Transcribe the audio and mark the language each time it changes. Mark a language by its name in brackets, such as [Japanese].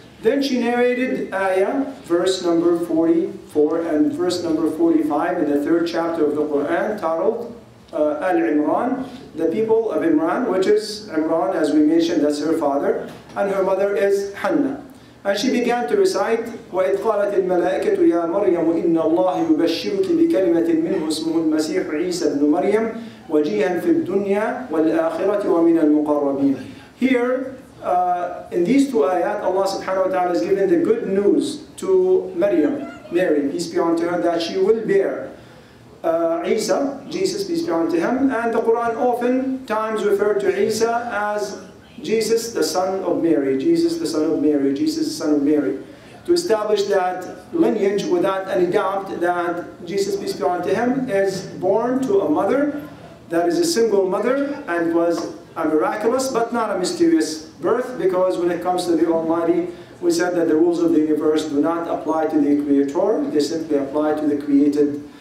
[English] Then she narrated ayah, verse number 44 and verse number 45 in the third chapter of the Quran, titled Al-Imran, the people of Imran, which is Imran, as we mentioned, that's her father, and her mother is Hannah. And she began to recite, [Arabic] وَإِذْ قَالَتِ الْمَلَائِكَةُ يَا مَرْيَمُ إِنَّ اللَّهَ يُبَشِّرُكِ بِكَلِمَةٍ مِّنْهُ اسْمُهُ الْمَسِيحُ عِيسَى بْنُ مَرْيَمُ وَجِيهًا فِي الدُّنْيَا وَالْآخِرَةِ وَمِنَ الْمُقَرَّبِينَ. [English] Here, in these two ayat, Allah subhanahu wa ta'ala is giving the good news to Maryam, Mary, peace be unto her, that she will bear Isa, Jesus, peace be unto him. And the Quran often times referred to Isa as Jesus, the son of Mary, Jesus, the son of Mary, Jesus, the son of Mary, to establish that lineage without any doubt that Jesus, peace be unto him, is born to a mother that is a single mother and was a miraculous but not a mysterious birth, because when it comes to the Almighty, we said that the rules of the universe do not apply to the Creator, they simply apply to the created.